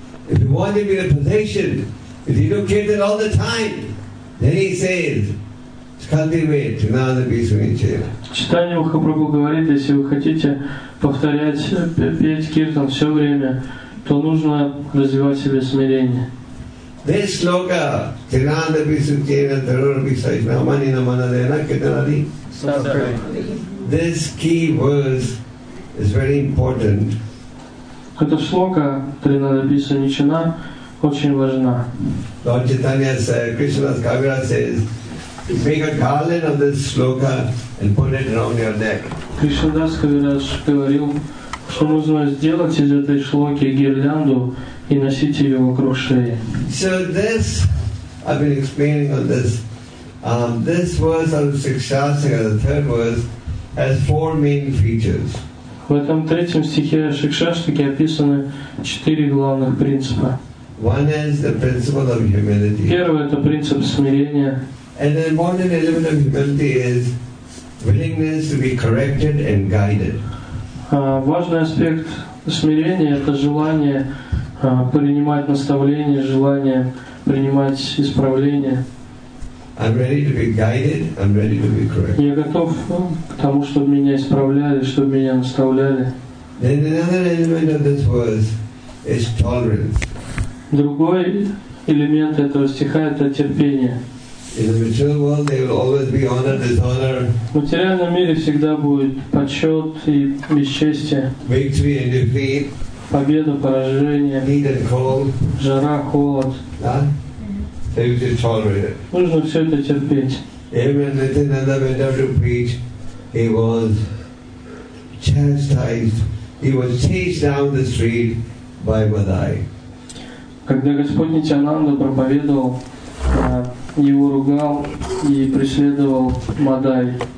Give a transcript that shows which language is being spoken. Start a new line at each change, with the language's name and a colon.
English: If you want to be in a position, if you look at it all the time, then he says,
Russian: Читание Махапрабху говорит, если вы хотите повторять, петь киртан все время, то нужно развивать в себе смирение.
English: This shloka, Tirana Bisuchena, Tarana Bisaj, Namani Namanadena, Kitanadi. This key verse is very important.
Russian: Эта шлока, Tirana Bisuchena, очень важна.
English: Lord Chaitanya says, Krishna's Kavira says, make a garland of this shloka and put it around your neck.
Russian: Кришнадас Кавирадж говорил, что нужно сделать из этой шлоки гирлянду и носить ее вокруг шеи.
English: So this, I've been explaining on this. This verse of Шикшастика, the third verse, has four main features.
Russian: В этом третьем стихе Шикшастики описаны четыре главных принципа.
English: One is the principle of humility.
Russian: Первое — это принцип смирения.
English: And the important element of humility is willingness to be corrected and guided.
Russian: Важный аспект смирения — это желание принимать наставления, желание принимать исправления.
English: I'm ready to be guided. I'm ready to be corrected.
Russian: Я готов к тому, чтобы меня исправляли, чтобы меня наставляли.
English: Then another element of this verse is tolerance.
Russian: Другой элемент этого стиха — это терпение.
English: In the material world, there will always be honor, dishonor.
Russian: В материальном мире всегда будет почет и бесчестие.
English: Victory and defeat.
Russian: Победа, поражение.
English: Heat and cold.
Russian: Жара, холод.
English: Да? You should tolerate it.
Russian: Нужно все это терпеть.
English: Even Nityananda went out to preach, he was chastised. He was chased down the street by Vadai.
Russian: Когда Господь Нитянанда проповедовал, его ругал и преследовал Мадай.